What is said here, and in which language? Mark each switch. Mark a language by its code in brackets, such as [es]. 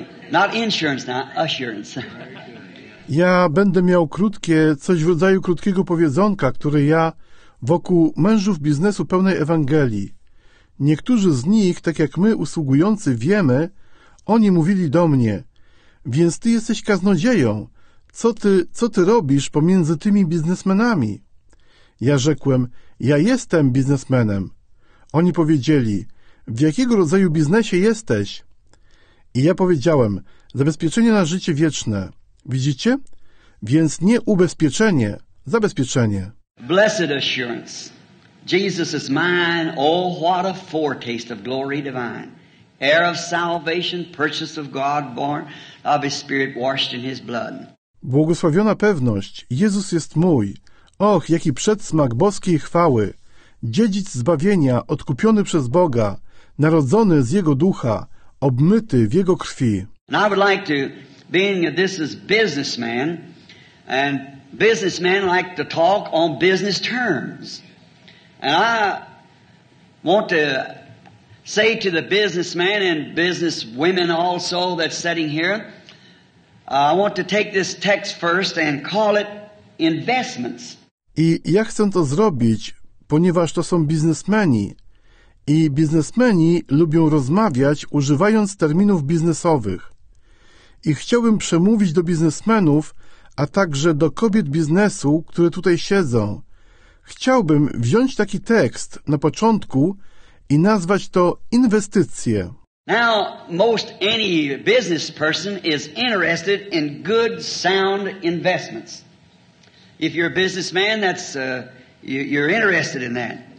[en] Not insurance, not assurance. [pl] Ja będę miał krótkie, coś w rodzaju krótkiego powiedzonka, które ja wokół mężów biznesu pełnej Ewangelii. Niektórzy z nich, tak jak my, usługujący, wiemy, oni mówili do mnie, więc ty jesteś kaznodzieją, co ty robisz pomiędzy tymi biznesmenami? Ja rzekłem, ja jestem biznesmenem. Oni powiedzieli, w jakiego rodzaju biznesie jesteś? I ja powiedziałem, zabezpieczenie na życie wieczne. Widzicie? Więc nie ubezpieczenie, zabezpieczenie. [en] Blessed assurance. Jesus is mine, oh what a foretaste of glory divine, heir of salvation, purchase of God, born of his spirit, washed in his blood. [pl] Błogosławiona pewność, Jezus jest mój, och, jaki przedsmak boskiej chwały, dziedzic zbawienia, odkupiony przez Boga, narodzony z Jego ducha, obmyty w Jego krwi. [en] And I would like to, being that this is businessman, and businessmen like to talk on business terms. And I want to say to the businessmen and business women also that's sitting here, I want to take this text first and call it investments. [pl] I ja chcę to zrobić, ponieważ to są biznesmeni. I biznesmeni lubią rozmawiać, używając terminów biznesowych. I chciałbym przemówić do biznesmenów, a także do kobiet biznesu, które tutaj siedzą. Chciałbym wziąć taki tekst na początku i nazwać to inwestycje. [en] Now, most any business person is interested in good, sound investments. If you're a businessman, that's you're interested in that.